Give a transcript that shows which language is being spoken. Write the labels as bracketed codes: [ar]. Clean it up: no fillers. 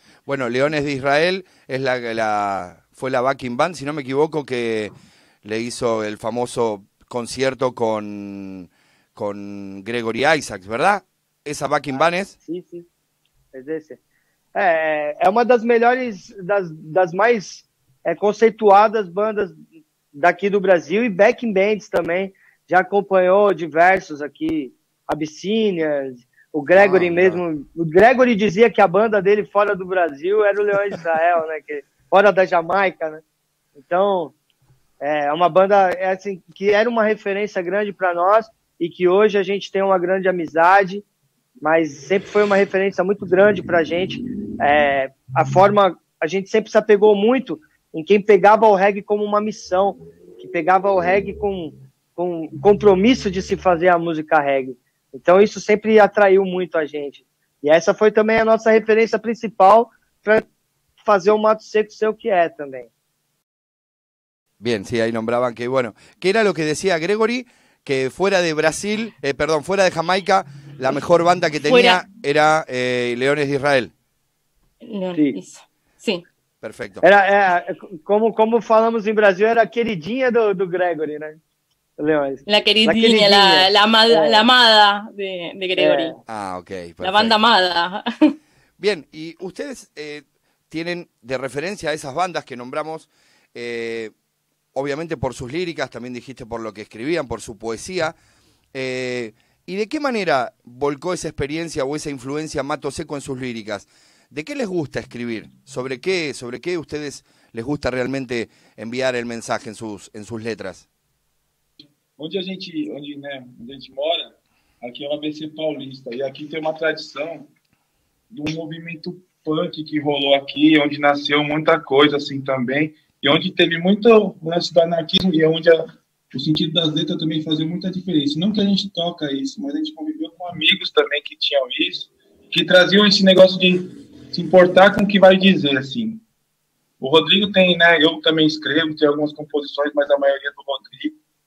[es] Bueno, Leones de Israel es fue la backing band, si no me equivoco, que le hizo el famoso concierto con Gregory Isaacs, ¿verdad? Esa backing band es. Sí, sí. Es ese. Es una de las mejores, [pt] das más conceituadas bandas daqui do Brasil, e backing bands também, já acompanhou diversos aqui, Abyssinians, o Gregory mesmo, o Gregory dizia que a banda dele fora do Brasil era o Leões de Israel, né, que fora da Jamaica, né, então, é uma banda, é assim, que era uma referência grande para nós, e que hoje a gente tem uma grande amizade, mas sempre foi uma referência muito grande para a gente. A forma, a gente sempre se apegou muito em quem pegava o reggae como uma missão, que pegava o reggae com o compromisso de se fazer a música reggae. Então isso sempre atraiu muito a gente. E essa foi também a nossa referência principal para fazer o Mato Seco ser o que é também. [es] Bien, sí, ahí nombraban que, bueno, que era lo que decía Gregory, que fuera de Brasil, perdón, fuera de Jamaica, la mejor banda que tenía era Leones de Israel. Sí. Perfecto. [pt] Como falamos en Brasil, era queridinha do Gregory, ¿no? Leones. [es] La queridinha, la amada de Gregory. Ah, ok. Perfecto. La banda amada. Bien, y ustedes tienen de referencia a esas bandas que nombramos... obviamente por sus líricas, también dijiste por lo que escribían, por su poesía. ¿Y de qué manera volcó esa experiencia o esa influencia Mato Seco en sus líricas? ¿De qué les gusta escribir? ¿Sobre qué ustedes les gusta realmente enviar el mensaje en sus letras? [pt] Onde a gente mora, [es] aquí es ABC Paulista, y aquí tem una tradición de un movimiento punk que roló aquí, donde nació mucha cosa así también. [pt] E onde teve muito lance do anarquismo e onde o sentido das letras também fazia muita diferença. Não que a gente toca isso, mas a gente conviveu com amigos também que tinham isso, que traziam esse negócio de se importar com o que vai dizer, assim. O Rodrigo tem, né, eu também escrevo, tem algumas composições, mas a maioria é do Rodrigo.